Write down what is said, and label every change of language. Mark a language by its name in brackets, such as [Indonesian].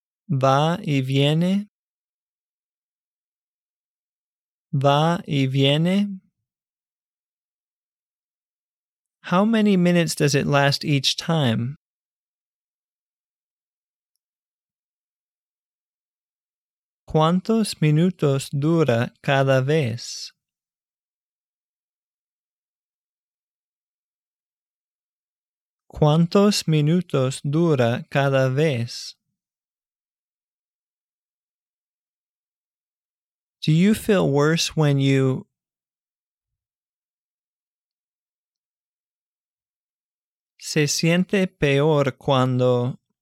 [Spanish] Va y viene. Va y viene. [English] How many minutes does it last each time? [Spanish] ¿Cuántos minutos dura cada vez? ¿Cuántos minutos dura cada vez? [English] Do you feel worse when you... [Spanish] Se siente peor cuando...